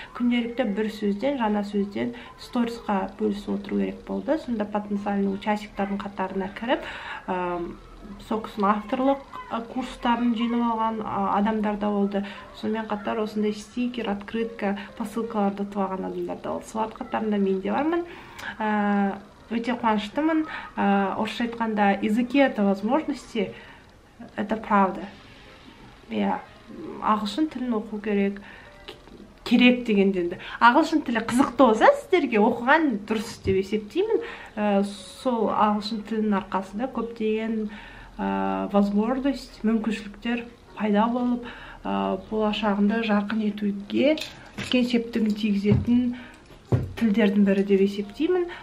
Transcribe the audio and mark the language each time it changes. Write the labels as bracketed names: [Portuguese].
[Kazakh] Күнделікті бір сөзден, жаңа сөзден сторисқа бөлісіп отыру керек болды. Сонда потенциалдың участниктарының қатарына кіріп, сол кісін авторлық курстарын жеңіп алған адамдар да болды. Сонымен қатар осындай стикер, открытка, посылкаларды тұлаған адамдар да болды. Солар қатарында мен де бармын. Өте қуаныштымын. Орысша айтқанда, [Russian] языки это возможности, это правда. [Kazakh] Иә, ағылшын тілін оқу керек. Керек дегенде енді ағылшын тілі қызықты болса сіздерге оқыған дұрыс деп есептеймін. Сол ағылшын тілінің арқасында көптеген возможность, мүмкіншіліктер пайда болып, болашағында жарқын етуге үлкен септігін тигізетін тілдердің бірі деп есептеймін.